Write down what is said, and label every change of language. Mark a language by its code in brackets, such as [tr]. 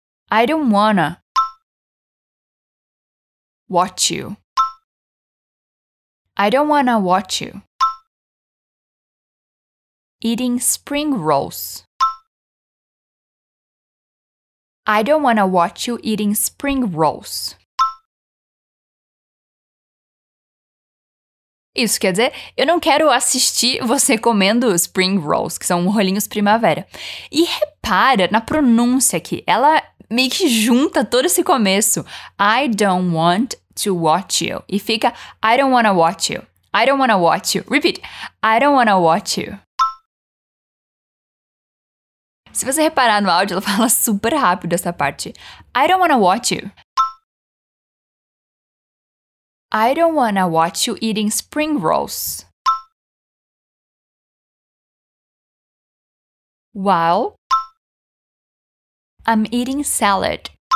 [en] I don't wanna watch you. I don't wanna watch you eating spring rolls. I don't wanna watch you eating spring rolls. [pt] Isso quer dizer, eu não quero assistir você comendo spring rolls, que são rolinhos primavera. E repara na pronúncia aqui, ela meio que junta todo esse começo. [en] I don't want to watch you. [pt] E fica, [en] I don't wanna watch you. I don't wanna watch you. Repeat, I don't wanna watch you. [pt] Se você reparar no áudio, ela fala super rápido essa parte. [en] I don't wanna watch you. I don't wanna watch you eating spring rolls. While I'm eating salad.